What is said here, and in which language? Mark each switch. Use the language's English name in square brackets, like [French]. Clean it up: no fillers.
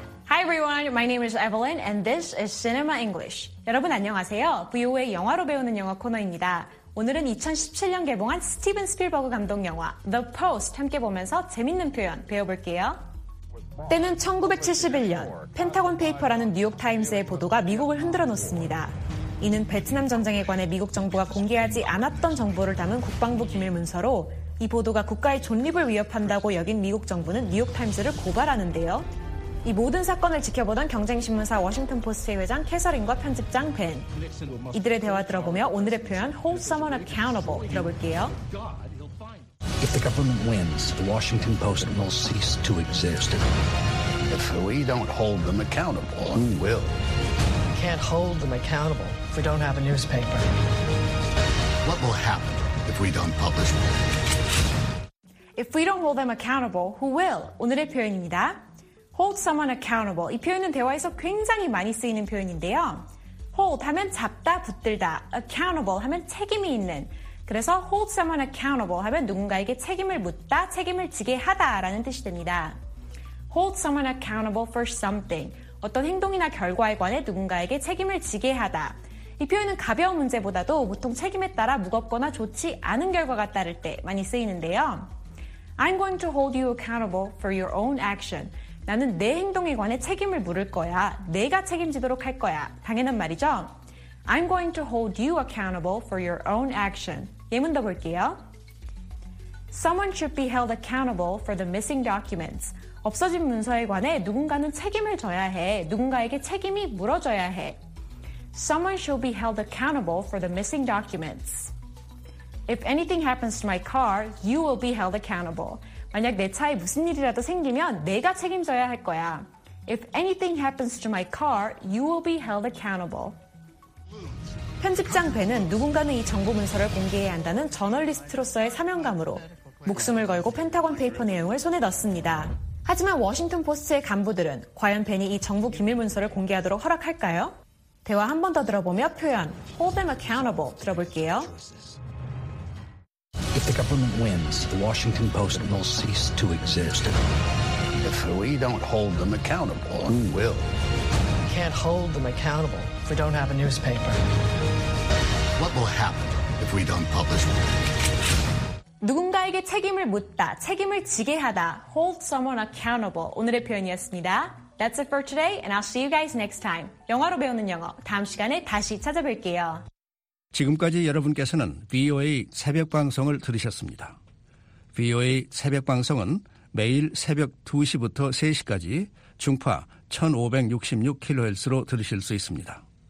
[English] Hi everyone, my name is Evelyn and this is Cinema English. [Korean] 여러분 안녕하세요. VOA 영화로 배우는 영어 코너입니다. 오늘은 2017년 개봉한 스티븐 스필버그 감독 영화 The Post 함께 보면서 재밌는 표현 배워볼게요. 때는 1971년 펜타곤 페이퍼라는 뉴욕타임스의 보도가 미국을 흔들어 놓습니다. 이는 베트남 전쟁에 관해 미국 정부가 공개하지 않았던 정보를 담은 국방부 기밀 문서로 이 보도가 국가의 존립을 위협한다고 여긴 미국 정부는 뉴욕타임스를 고발하는데요. 이 모든 사건을 지켜보던 경쟁신문사 워싱턴포스트의 회장 캐서린과 편집장 벤. 이들의 대화 들어보며 오늘의 표현 hold someone accountable 들어볼게요. [English] If the government wins, the Washington Post will cease to exist. If we don't hold them accountable, who will? We can't hold them accountable if we don't have a newspaper. What will happen if we don't publish them? If we don't hold them accountable, who will? [Korean] 오늘의 표현입니다. [English] Hold someone accountable. [Korean] 이 표현은 대화에서 굉장히 많이 쓰이는 표현인데요. Hold 하면 잡다, 붙들다. Accountable 하면 책임이 있는. 그래서 hold someone accountable 하면 누군가에게 책임을 묻다, 책임을 지게 하다라는 뜻이 됩니다. [English] Hold someone accountable for something. [Korean] 어떤 행동이나 결과에 관해 누군가에게 책임을 지게 하다. 이 표현은 가벼운 문제보다도 보통 책임에 따라 무겁거나 좋지 않은 결과가 따를 때 많이 쓰이는데요. [English] I'm going to hold you accountable for your own action. [Korean] 나는 내 행동에 관해 책임을 물을 거야. 내가 책임지도록 할 거야. 당연한 말이죠. [English] I'm going to hold you accountable for your own action. [Korean] 예문 더 볼게요. [English] Someone should be held accountable for the missing documents. [Korean] 없어진 문서에 관해 누군가는 책임을 져야 해. 누군가에게 책임이 물어져야 해. [English] Someone should be held accountable for the missing documents. If anything happens to my car, you will be held accountable. [Korean] 만약 내 차에 무슨 일이라도 생기면 내가 책임져야 할 거야. [English] If anything happens to my car, you will be held accountable. [Korean] 편집장 벤은 누군가는 이 정보 문서를 공개해야 한다는 저널리스트로서의 사명감으로 목숨을 걸고 펜타곤 페이퍼 내용을 손에 넣습니다. 하지만 워싱턴 포스트의 간부들은 과연 벤이 이 정부 기밀 문서를 공개하도록 허락할까요? 대화 한 번 더 들어보며 표현 Hold them accountable 들어볼게요. [English] If the government wins, the Washington Post will cease to exist. If we don't hold them accountable, who will? We can't hold them accountable if we don't have a newspaper. What will happen if we don't publish one? [Korean] 누군가에게 책임을 묻다, 책임을 지게 하다. [English] Hold someone accountable. [Korean] 오늘의 표현이었습니다. [English] That's it for today, and I'll see you guys next time. [Korean] 영어로 배우는 영어, 다음 시간에 다시 찾아뵐게요. 지금까지 여러분께서는 VOA 새벽방송을 들으셨습니다. VOA 새벽방송은 매일 새벽 2시부터 3시까지 중파 1566kHz로 들으실 수 있습니다.